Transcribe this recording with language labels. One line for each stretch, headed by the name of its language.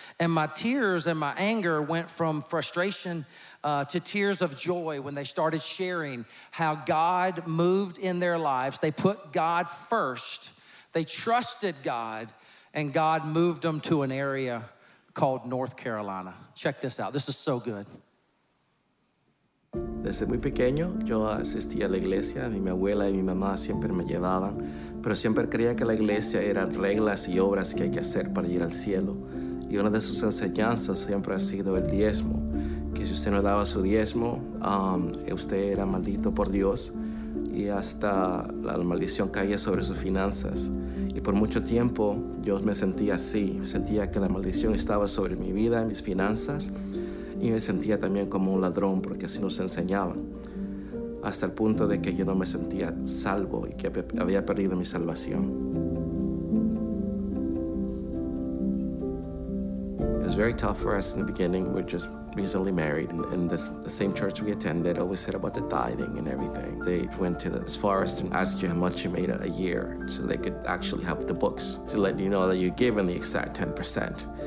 English: And my tears and my anger went from frustration to tears of joy when they started sharing how God moved in their lives. They put God first. They trusted God, and God moved them to an area called North Carolina. Check this out. This is so good.
Spanish: Desde muy pequeño, yo asistía a la iglesia. Mi abuela y mi mamá siempre me llevaban, pero siempre creía que la iglesia eran reglas y obras que hay que hacer para ir al cielo. Y una de sus enseñanzas siempre ha sido el diezmo, que si usted no daba su diezmo, usted era maldito por Dios. Y hasta la maldición caía sobre sus finanzas. Y Y por mucho tiempo yo me sentía así, sentía que la maldición estaba sobre mi vida, mis finanzas, y me sentía también como un ladrón porque así nos enseñaban. Hasta el punto de que yo no me sentía salvo y que había perdido mi salvación.
English: It was very tough for us in the beginning. We're just recently married, and the same church we attended always said about the tithing and everything. They went to the forest and asked you how much you made a year so they could actually have the books to let you know that you're given the exact 10%.